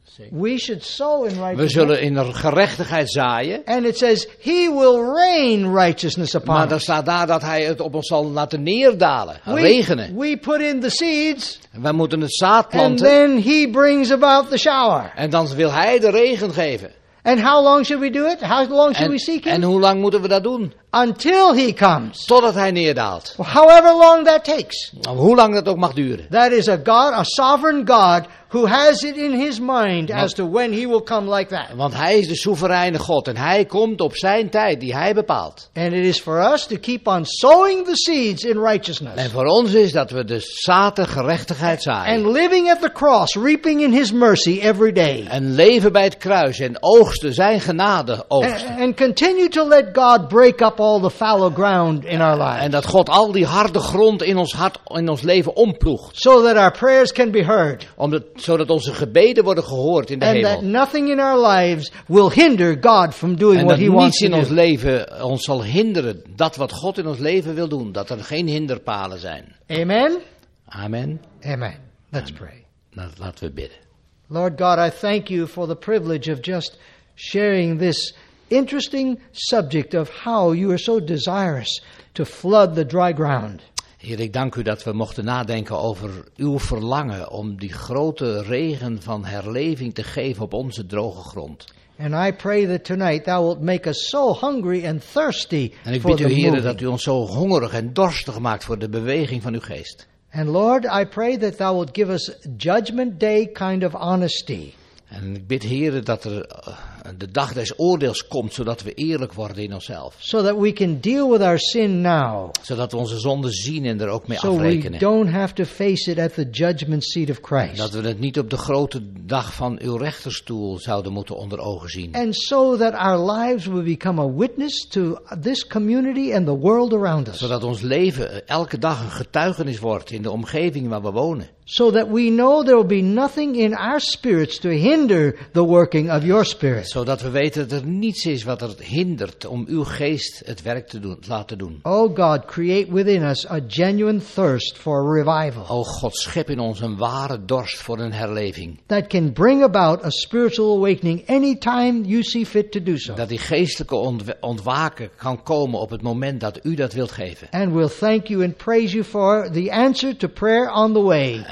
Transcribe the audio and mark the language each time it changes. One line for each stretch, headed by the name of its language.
English: We should sow in righteousness.
Dutch: We zullen in gerechtigheid zaaien.
English: And it says he will rain righteousness upon.
Dutch: Maar dan staat daar dat hij het op ons zal laten neerdalen, regenen.
English: We put in the seeds.
Dutch: We moeten het zaad planten.
English: And then he brings about the shower.
Dutch: En dan wil hij de regen geven.
English: And how long should we do it? How long should we seek him?
Dutch: En hoe lang moeten we dat doen?
English: until he comes.
Dutch: Totdat hij neerdaalt.
English: However long that takes.
Dutch: Hoe lang dat ook mag duren.
English: That is a God, a sovereign God, who has it in his mind as to when he will come like that.
Dutch: Want hij is de soevereine God en hij komt op zijn tijd die hij bepaalt.
English: And it is for us to keep on sowing the seeds in righteousness.
Dutch: En voor ons is dat we de zaden gerechtigheid zaaien.
English: And living at the cross, reaping in his mercy every day.
Dutch: En leven bij het kruis en oogsten zijn genade oogsten.
English: And continue to let God break up all the fallow ground in our lives.
Dutch: En dat God al die harde grond in ons hart, in ons leven omploegt.
English: So that our prayers can be heard.
Dutch: Zodat onze gebeden worden gehoord in de
English: and
Dutch: hemel.
English: That nothing in our lives will hinder God from doing
Dutch: en
English: what he wants to do.
Dutch: En dat niets in ons leven ons zal hinderen dat wat God in ons leven wil doen. Dat er geen hinderpalen zijn.
English: Amen. Amen. Amen. Let's Amen. Pray.
Dutch: Laten we bidden.
English: Lord God, I thank you for the privilege of just sharing this interesting subject of how you are so desirous to flood the dry ground.
Dutch: Heer, ik dank u dat we mochten nadenken over uw verlangen om die grote regen van herleving te geven op onze droge grond.
English: And I pray that tonight thou wilt make us so hungry and thirsty.
Dutch: En ik bid u, Heer, dat u ons zo hongerig en dorstig maakt voor de beweging van uw geest.
English: And Lord, I pray that thou wilt give us judgment day kind of honesty.
Dutch: En ik bid, Heer, dat er de dag des oordeels komt, zodat we eerlijk worden in onszelf.
English: So that we can deal with our sin now.
Dutch: Zodat we onze zonden zien en er ook mee
English: so
Dutch: afrekenen.
English: We don't have to face it at the judgment seat of Christ.
Dutch: Dat we het niet op de grote dag van uw rechterstoel zouden moeten onder ogen zien.
English: And so that our lives will become a witness to this community and the world around us.
Dutch: Zodat ons leven elke dag een getuigenis wordt in de omgeving waar we wonen.
English: So that we know there will be nothing in our spirits to hinder the working of your spirit.
Dutch: Zodat we weten dat er niets is wat het hindert om uw geest het werk te doen, laten doen.
English: O God, create within us a genuine thirst for revival.
Dutch: O God, schep in ons een ware dorst voor een herleving.
English: That can bring about a spiritual awakening anytime you see fit to do so.
Dutch: Dat die geestelijke ontwaken kan komen op het moment dat u dat wilt geven.
English: And we'll thank you and praise you for the answer to prayer on the way.